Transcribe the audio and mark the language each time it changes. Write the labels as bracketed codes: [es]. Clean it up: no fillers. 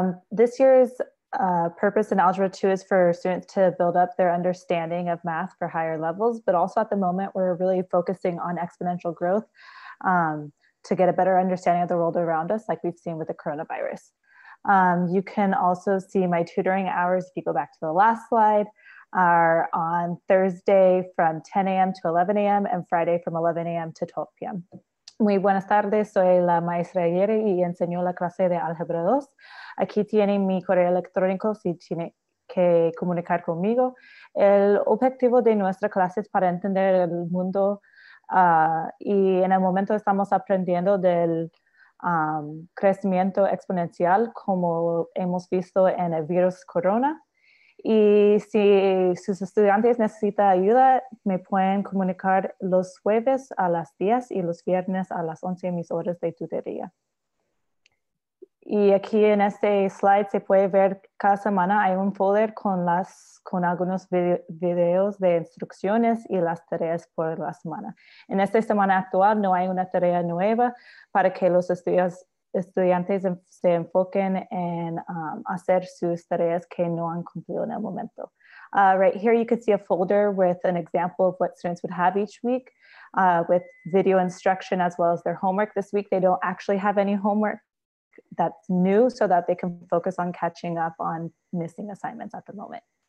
[en] This year's purpose in Algebra 2 is for students to build up their understanding of math for higher levels, but also at the moment, we're really focusing on exponential growth to get a better understanding of the world around us, like we've seen with the coronavirus. You can also see my tutoring hours, if you go back to the last slide, are on Thursday from 10 a.m. to 11 a.m. and Friday from 11 a.m. to 12 p.m. [es] Muy buenas tardes, soy la maestra ayer y enseño la clase de Álgebra 2. Aquí tiene mi correo electrónico si tiene que comunicar conmigo. El objetivo de nuestra clase es para entender el mundo y en el momento estamos aprendiendo del crecimiento exponencial como hemos visto en el virus corona. Y si sus estudiantes necesitan ayuda, me pueden comunicar los jueves a las 10 y los viernes a las 11 mis horas de tutoría. Y aquí en este slide se puede ver cada semana hay un folder con algunos videos de instrucciones y las tareas por la semana. En esta semana actual no hay una tarea nueva para que los estudiantes se enfoquen en hacer sus tareas que no han cumplido en el momento. [en] Right here, you could see a folder with an example of what students would have each week with video instruction as well as their homework. This week, they don't actually have any homework that's new so that they can focus on catching up on missing assignments at the moment.